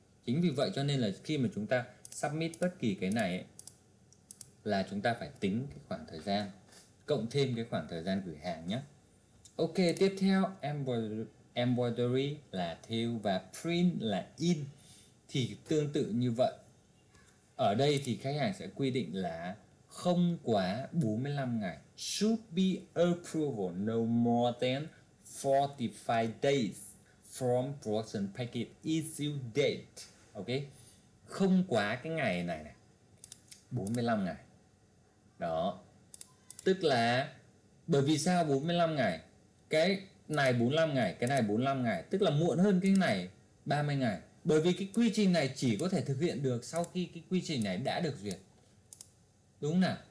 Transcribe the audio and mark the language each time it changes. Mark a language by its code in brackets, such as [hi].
[vi] Chính vì vậy cho nên là khi mà chúng ta submit bất kỳ cái này ấy, là chúng ta phải tính cái khoảng thời gian, cộng thêm cái khoảng thời gian gửi hàng nhé. Ok, tiếp theo embroidery là thêu và print là in. Thì tương tự như vậy. Ở đây thì khách hàng sẽ quy định là không quá 45 ngày. [en] Should be approval no more than 45 days from production packet issue date. Ok. [vi] Không quá cái ngày này này. 45 ngày. Đó. Tức là bởi vì sao 45 ngày? Cái này 45 ngày, cái này 45 ngày. Tức là muộn hơn cái này 30 ngày. Bởi vì cái quy trình này chỉ có thể thực hiện được sau khi cái quy trình này đã được duyệt, đúng không nào?